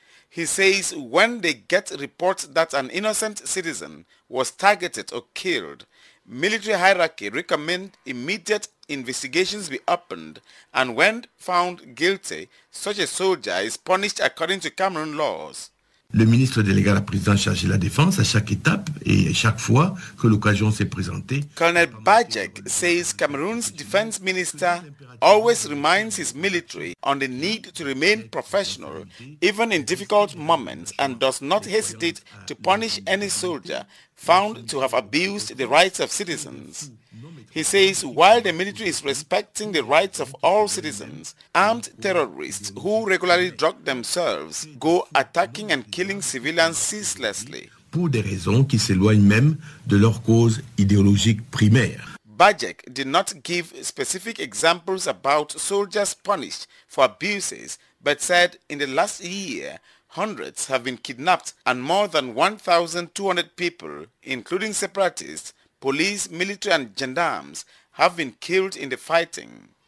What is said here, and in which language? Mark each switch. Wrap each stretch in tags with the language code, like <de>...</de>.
<en>He says when they get reports that an innocent citizen was targeted or killed, military hierarchy recommend immediate investigations be opened, and when found guilty, such a soldier is punished according to Cameroon laws.</en> <fr>Le ministre délégué à la présidence chargé de la défense à chaque étape et chaque fois que l'occasion s'est présentée.</fr> <en>Colonel Bajek says Cameroon's defense minister always reminds his military on the need to remain professional even in difficult moments and does not hesitate to punish any soldier found to have abused the rights of citizens. He says while the military is respecting the rights of all citizens, armed terrorists who regularly drug themselves go attacking and killing civilians ceaselessly.</en> <fr>Pour des raisons qui s'éloignent même de leur cause idéologique primaire.</fr> <en>Bajek did not give specific examples about soldiers punished for abuses, but said in the last year, hundreds have been kidnapped and more than 1,200 people, including separatists, police, military and gendarmes have been killed in the fighting.</en>